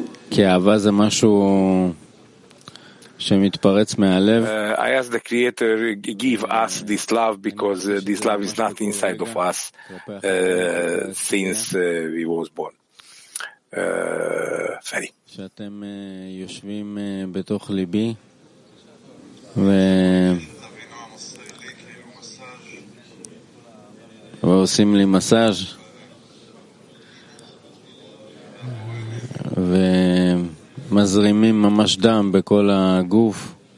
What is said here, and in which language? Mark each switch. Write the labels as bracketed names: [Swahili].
[Hebrew] Ki ahava ze mashu שמתפרץ מהלב. [English] I ask the creator give us this love because this love is not inside of us since we was born. Feri. [Hebrew] שאתם יושבים בתוך ליבי ועושים לי מסאז' ו מזרימים ממש דם בכל הגוף